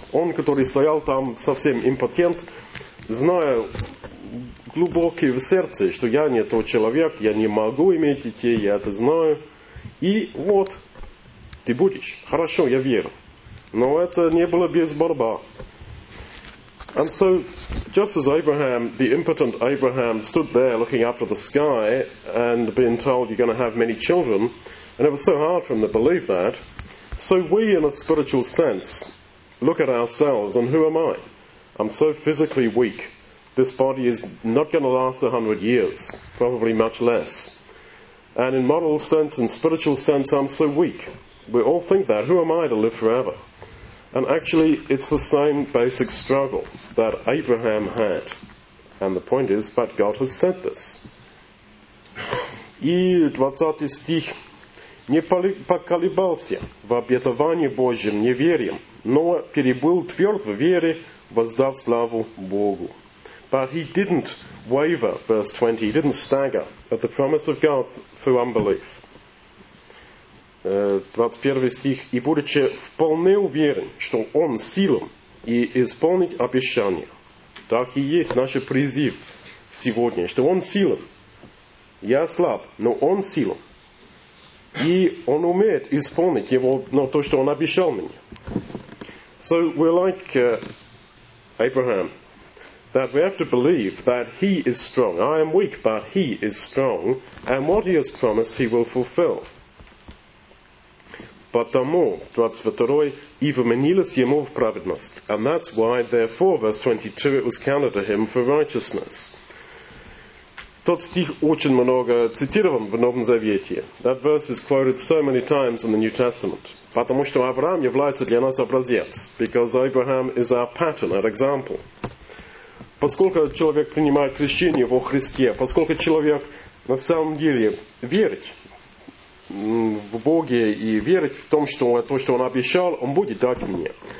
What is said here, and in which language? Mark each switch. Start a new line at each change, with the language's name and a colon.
Russian: Он, который стоял там совсем импотент, зная глубокое в сердце, что я не тот человек, я не могу иметь детей, я это знаю. И вот, ты будешь. Хорошо, я верю. Но это не было без борьбы.
English: And so, just as Abraham, the impotent Abraham, stood there looking up to the sky and being told you're going to have many children, and it was so hard for him to believe that, so we, in a spiritual sense, look at ourselves, and who am I? I'm so physically weak. This body is not going to last 100 years, probably much less. And in moral sense, in spiritual sense, I'm so weak. We all think that. Who am I to live forever? And actually, it's the same basic struggle that Abraham had. And the point is, but God has said this.
Russian: И 20 стих. не поколебался в обетовании Божьем неверием, но перебыл тверд в вере, воздав славу Богу.
English: But he didn't waver, verse 20, he didn't stagger at the promise of God through unbelief.
Russian: 21 стих. И будучи вполне уверен, что он силен и исполнить обещание. Так и есть наш призыв сегодня, что он силен. Я слаб, но он силен. И он умеет исполнить его, но то, что он обещал мне.
English: So we're like Abraham, that we have to believe that he is strong. I am weak, but he is strong, and what he has promised he will fulfill.
Russian: Потому, 22, и вменилось ему в праведность.
English: And that's why, therefore, verse 22, it was counted to him for righteousness.
Russian: Тот стих очень много цитирован в Новом Завете.
English: That verse is quoted so many times in the New Testament.
Russian: Потому что Авраам является для нас образец.
English: Because Abraham is our pattern, our example.
Russian: Поскольку человек принимает крещение во Христе, поскольку человек на самом деле верит в Бога и верит в том, что то, что он обещал, он будет дать мне.